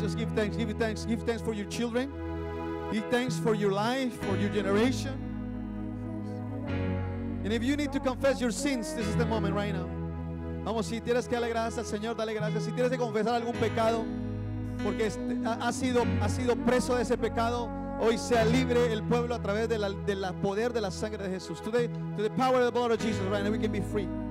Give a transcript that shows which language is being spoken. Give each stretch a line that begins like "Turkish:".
English: Just give thanks, give thanks, give thanks for your children. Give thanks for your life, for your generation. And if you need to confess your sins, this is the moment right now.
Spanish: Vamos, si tienes que darle gracias al Señor, dale gracias. Si tienes que confesar algún pecado, porque ha sido preso de ese pecado, hoy sea libre el pueblo a través de la poder de la sangre de Jesús.
English: To the power of the blood of Jesus, right now we can be free.